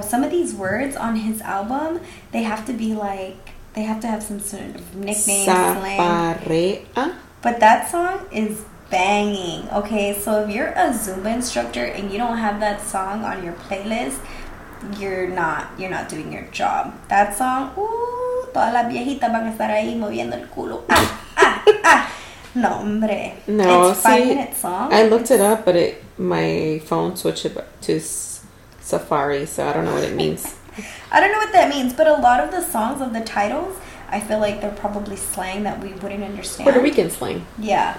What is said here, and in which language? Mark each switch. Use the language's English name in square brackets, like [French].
[English] Some of these words on his album, they have to be, like, they have to have some sort of nickname. Safarea. But that song is banging. Okay, so if you're a Zumba instructor and you don't have that song on your playlist, you're not doing your job. That song, [Spanish] todas las viejitas van a estar ahí moviendo el culo. Ah, ah, ah. No, hombre. [English] No, it's a 5-minute song. I looked it up, but my phone switched it to Safari, so I don't know what it means. I don't know what that means, but a lot of the songs of the titles, I feel like they're probably slang that we wouldn't understand. Puerto Rican slang. Yeah.